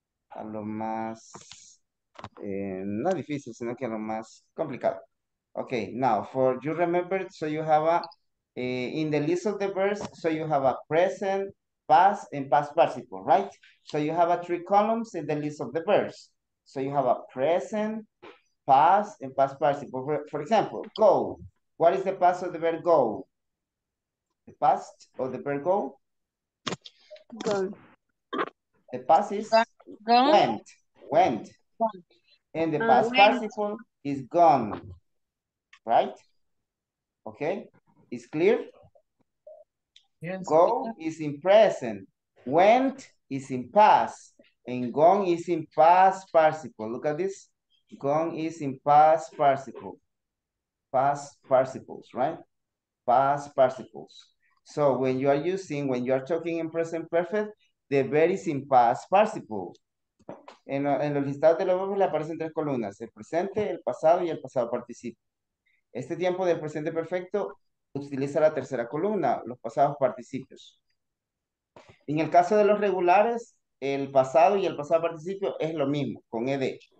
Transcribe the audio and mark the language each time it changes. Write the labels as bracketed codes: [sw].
[es] A lo más, no difícil, sino que a lo más complicado. [en] Okay, now, for you remember, so you have a, in the list of the verbs, so you have a present, past, and past participle, right? So you have a three columns in the list of the verbs. So you have a present, past, and past participle. For example, go. What is the past of the verb go? The past of the verb go? Gone. The past is gone. Went. Went. Gone. And the past participle is gone, right? Okay. Is clear? Yes. Go is in present. Went is in past. And gone is in past participle. Look at this. Gone is in past participle. Past participles, right? Past participles. So when you are using, when you are talking in present perfect, the verb is in past participle. [es] En los listados de los verbos le aparecen tres columnas. El presente, el pasado y el pasado participio. Este tiempo del presente perfecto utiliza la tercera columna, los pasados participios. En el caso de los regulares, el pasado y el pasado participio es lo mismo, con ed.